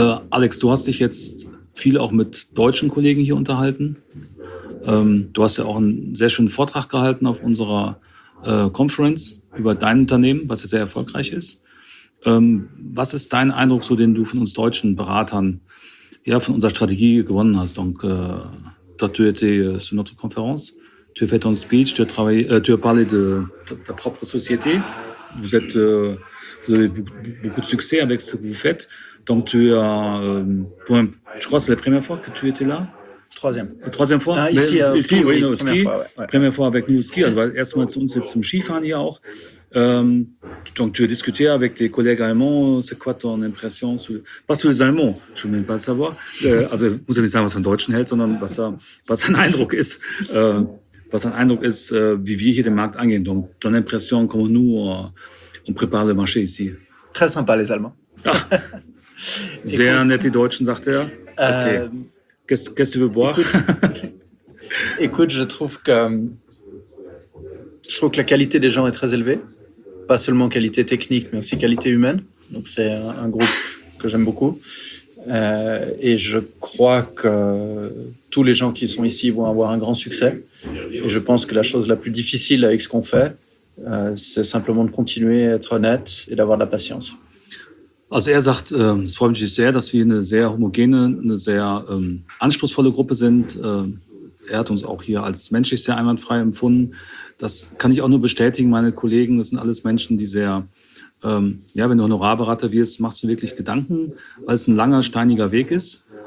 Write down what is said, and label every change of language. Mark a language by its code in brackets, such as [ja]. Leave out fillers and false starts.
[de] Alex, du hast dich jetzt viel auch mit deutschen Kollegen hier unterhalten. Du hast ja auch einen sehr schönen Vortrag gehalten auf unserer Conference über dein Unternehmen, was ja sehr erfolgreich ist. Was ist dein Eindruck, so den du von uns deutschen Beratern, ja, von unserer Strategie gewonnen hast? [fr] Donc, toi, tu étais sur notre conférence, tu as fait ton speech, tu as parlé de ta propre société. Vous êtes, vous avez beaucoup de succès avec ce que vous faites. Donc, tu as, pour un, je crois que c'est la première fois que tu étais là. Troisième fois. Ah, ici, au ski. Oui, au ski. Première fois avec nous au ski. [de] Also, erstmal zu uns jetzt zum Skifahren hier auch. [fr] Donc, tu as discuté avec tes collègues allemands. C'est quoi ton impression sur, pas sur les Allemands. Je veux même pas savoir. [de] Also, ich muss ja nicht sagen, was du von Deutschen hältst, sondern was dein Eindruck ist. Was dein Eindruck ist, wie wir hier den Markt angehen. [fr] Donc, ton impression, comment nous, on prépare le marché ici. Très sympa, les Allemands. [de] Sehr écoute, nett, die Deutschen, sagt er. Okay. [fr] Qu'est-ce que tu veux boire? Écoute, je trouve que la qualité des gens est très élevée. Pas seulement qualité technique, mais aussi qualité humaine. Donc, c'est un groupe que j'aime beaucoup. Et je crois que tous les gens qui sont ici vont avoir un grand succès. Et je pense que la chose la plus difficile avec ce qu'on fait, c'est simplement de continuer à être honnête et d'avoir de la patience. [de] Also er sagt, es freut mich sehr, dass wir eine sehr homogene, eine sehr anspruchsvolle Gruppe sind. Er hat uns auch hier als menschlich sehr einwandfrei empfunden. Das kann ich auch nur bestätigen, meine Kollegen. Das sind alles Menschen, die sehr, ja, wenn du Honorarberater wirst, machst du wirklich Gedanken, weil es ein langer, steiniger Weg ist.